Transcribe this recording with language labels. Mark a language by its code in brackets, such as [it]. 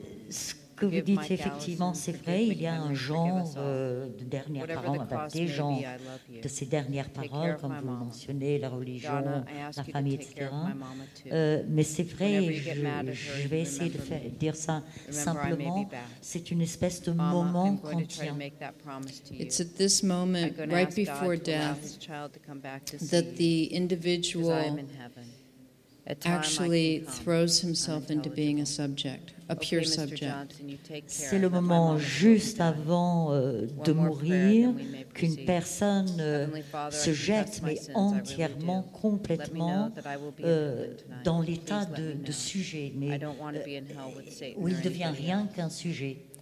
[fr] Ce que vous dites, effectivement, c'est vrai, il y a un genre de dernières paroles, des genres de ces dernières paroles, comme vous mentionnez, la religion, la famille, etc. Mais c'est vrai, je vais essayer de dire ça simplement, c'est une espèce de moment kantien. [en] It's at this moment, right before death, that the individual actually throws himself into being a subject. A pure subject. [fr] C'est le moment juste avant de mourir qu'une personne se jette, mais entièrement, complètement, dans l'état de sujet, mais où il devient rien qu'un sujet.